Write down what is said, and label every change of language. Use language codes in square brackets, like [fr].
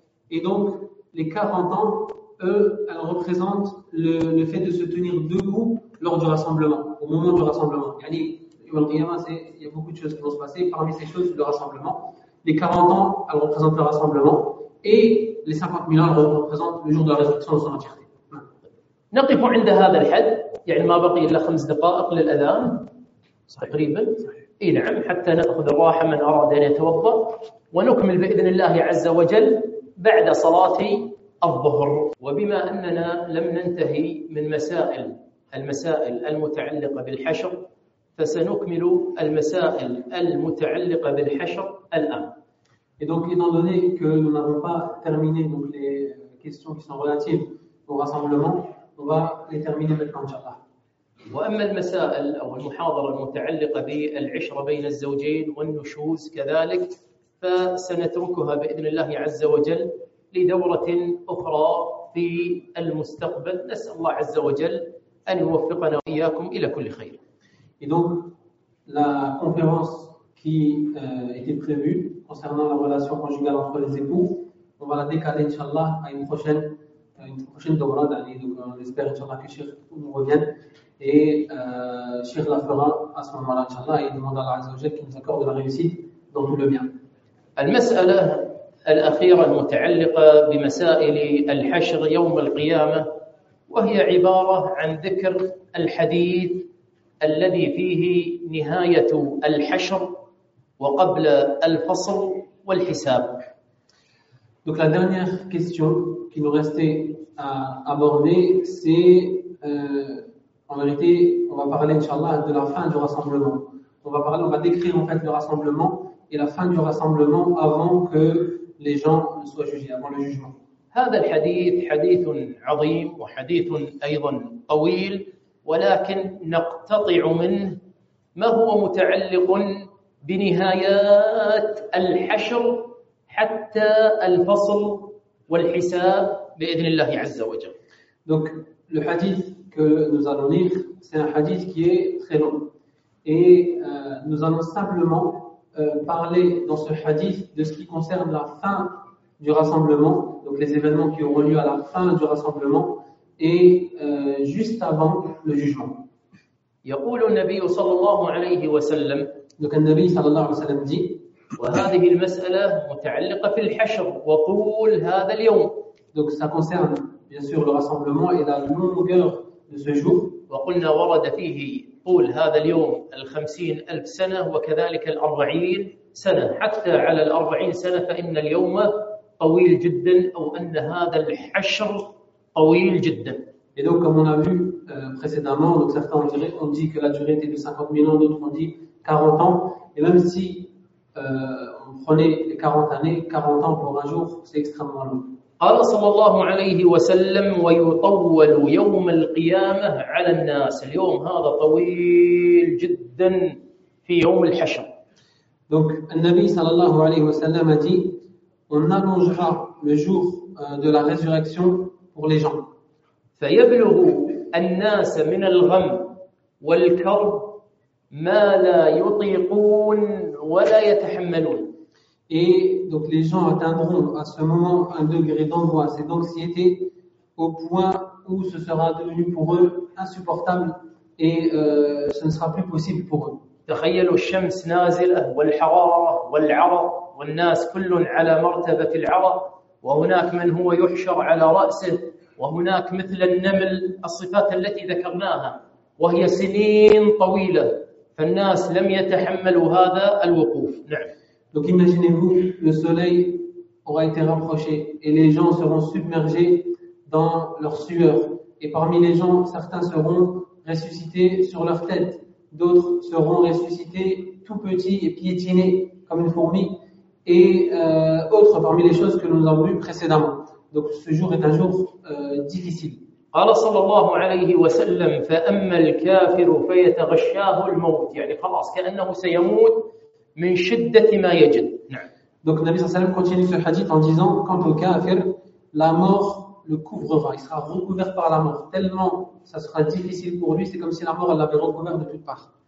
[fr] Et donc, les 40 ans, eux, elles représentent le fait de se tenir debout lors du rassemblement, au moment du rassemblement. Il y a beaucoup de choses qui vont se passer. Parmi ces choses, le rassemblement. Les 40 ans, elles représentent le rassemblement. Et les 50,000 ans représentent le jour de la résurrection dans son entièreté. [ar] نقف عند هذا الحد, يعني ما بقي إلا 5 دقائق للأذان تقريبا. إيه نعم, حتى نأخذ الراحة من أراد أن يتوضأ, ونكمل بإذن الله عز وجل بعد صلاة الظهر. وبما أننا لم ننتهي من المسائل المتعلقة بالحشر, فسنكمل المسائل المتعلقة بالحشر الآن. [fr] Et donc étant donné que nous n'avons pas terminé donc les questions qui sont relatives au rassemblement, on va les terminer maintenant, inchallah. [ar] وأما المسائل أو المحاضرة المتعلقة بالعشرة بين الزوجين والنشوز كذلك فسنتركها بإذن الله عز وجل لدورة أخرى في المستقبل. نسأل الله عز وجل أن يوفقنا وإياكم إلى كل خير. [fr] Et donc la conférence qui était prévue concernant la relation conjugale entre les époux, on va la décaler inchallah à une prochaine دورة. Donc on espère inchallah que Cheikh nous revienne. Et Cheikh la fera à ce moment-là, Inch'Allah, et demande à Allah [ar] Azza wa Jalla [fr] qu'il nous accorde la réussite dans tout le bien. [ar] المسألة الأخيرة المتعلقة بمسائل الحشر يوم القيامة وهي عبارة عن ذكر الحديث الذي فيه نهاية الحشر وقبل الفصل والحساب. [fr] Donc la dernière question qui nous restait à aborder, c'est en vérité, on va parler, inshallah, de la fin du rassemblement. On va décrire en fait le rassemblement et la fin du rassemblement avant que les gens ne soient jugés, avant le jugement. [ar] هذا الحديث حديث عظيم وحديث أيضا طويل ولكن نقتطع منه ما هو متعلق بنهايات الحشر حتى الفصل والحساب بإذن الله عز وجل. [fr] Donc le hadith que nous allons lire, c'est un hadith qui est très long. Et nous allons simplement parler dans ce hadith de ce qui concerne la fin du rassemblement, donc les événements qui auront lieu à la fin du rassemblement et juste avant le jugement. [ar] يقول النبي صلى الله عليه وسلم, [fr] donc le Nabi [ar] صلى الله عليه وسلم [fr] dit, [ar] وهذه المسألة متعلقة في الحشر وطول هذا اليوم. [fr] Donc ça concerne bien sûr le rassemblement et la longueur. [ar] وقلنا ورد فيه طول هذا اليوم 50,000 سنة وكذلك 40 سنة حتى على 40 سنة فإن اليوم طويل جدا أو أن هذا الحشر طويل جدا. [fr] Et donc comme on a vu précédemment, donc certains ont dit que la durée était de 50 000 ans, d'autres ont dit 40 ans. Et même si on prenait les 40 années, 40 ans pour un jour, c'est extrêmement long. [ar] قال صلى الله عليه وسلم ويطول يوم القيامة على الناس. اليوم هذا طويل جدا في يوم الحشر. [fr] Donc [ar] النبي صلى الله عليه وسلم [fr] a dit on allongera le jour de la résurrection pour les gens. [ar] فيبلغ الناس من الغم والكرب ما لا يطيقون ولا يتحملون. [fr] Et donc les gens atteindront à ce moment un degré d'angoisse et d'anxiété au point où ce sera devenu pour eux insupportable et ce ne sera plus possible pour eux. [ar] تخيلوا الشمس نازلة والحرارة والعرق والناس كل على مرتبة العرق وهناك من هو يحشر على رأسه وهناك مثل النمل الصفات التي ذكرناها وهي سنين طويلة فالناس لم يتحملوا هذا الوقوف. نعم. [fr] Donc imaginez-vous, le soleil aura été rapproché et les gens seront submergés dans leur sueur. Et parmi les gens, certains seront ressuscités sur leur tête, d'autres seront ressuscités tout petits et piétinés comme une fourmi. Et autres parmi les choses que nous avons vues précédemment. Donc ce jour est un jour difficile. [ar] قال صلى الله عليه وسلم فأما الكافر فيتغشاه الموت. يعني خلاص كأنه سيموت من شدة ما يجد. نعم. [fr] Donc [ar] النبي صلى الله عليه وسلم [fr] continue ce hadith en disant quant au kafir, la mort le couvrera, il sera recouvert par la mort tellement ça sera difficile pour lui, c'est comme si la mort l'avait recouvert de toutes parts.